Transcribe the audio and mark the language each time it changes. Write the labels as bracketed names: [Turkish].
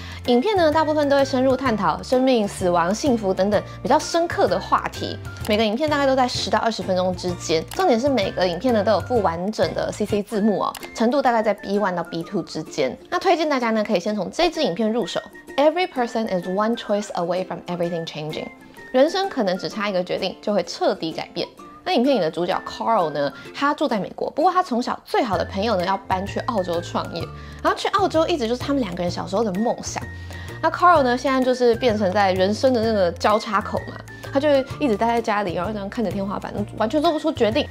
[Chinese] 影片呢，大部分都会深入探讨生命、死亡、幸福等等比较深刻的话题。每个影片大概都在10到20分钟之间，重点是每个影片呢都有附完整的 CC 字幕哦，程度大概在 B1 到 B2 之间。那推荐大家呢，可以先从这支影片入手。 [English] Every person is one choice away from everything changing. [Chinese] 人生可能只差一个决定就会彻底改变。那影片里的主角 Carl 呢，他住在美国，不过他从小最好的朋友呢要搬去澳洲创业，然后去澳洲一直就是他们两个人小时候的梦想。那 Carl 呢，现在就是变成在人生的那个交叉口嘛，他就一直待在家里，然后这样看着天花板，完全做不出决定。